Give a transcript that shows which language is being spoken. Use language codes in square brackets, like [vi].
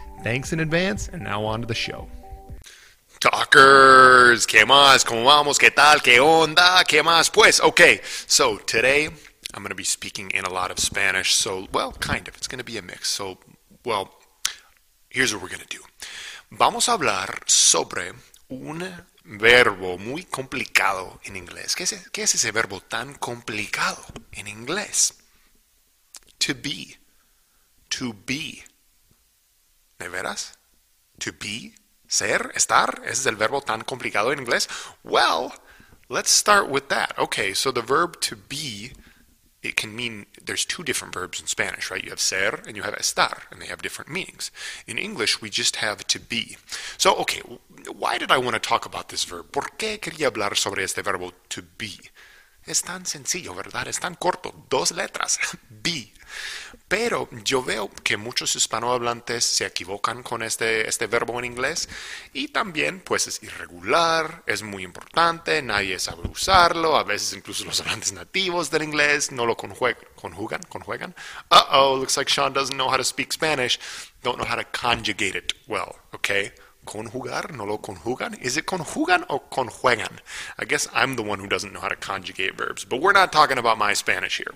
[en] Thanks in advance, and now on to the show. [es] Talkers, ¿qué más? ¿Cómo vamos? ¿Qué tal? ¿Qué onda? ¿Qué más? [en] Pues, okay, so today I'm going to be speaking in a lot of Spanish, so, well, kind of, it's going to be a mix. So, well, here's what we're going to do. [es] Vamos a hablar sobre un verbo muy complicado en inglés. ¿Qué es ese verbo tan complicado en inglés? [en] To be. To be. [es] ¿De veras? [en] To be. Ser. Estar. [es] ¿Ese es el verbo tan complicado en inglés? [en] Well, let's start with that. Okay, so the verb to be, it can mean, there's two different verbs in Spanish, right? You have ser and you have estar, and they have different meanings. In English, we just have to be. So, okay, why did I want to talk about this verb? [es] ¿Por qué quería hablar sobre este verbo to be? Es tan sencillo, ¿verdad? Es tan corto. Dos letras. Be. Pero yo veo que muchos hispanohablantes se equivocan con este verbo en inglés. Y también, pues, es irregular, es muy importante, nadie sabe usarlo. A veces incluso los hablantes nativos del inglés no lo conjugan. [en] Uh-oh, looks like Sean doesn't know how to speak Spanish. Don't know how to conjugate it well, okay? [es] ¿Conjugar? ¿No lo conjugan? [en] ¿Is it conjugan o conjuegan? I guess I'm the one who doesn't know how to conjugate verbs. But we're not talking about my Spanish here.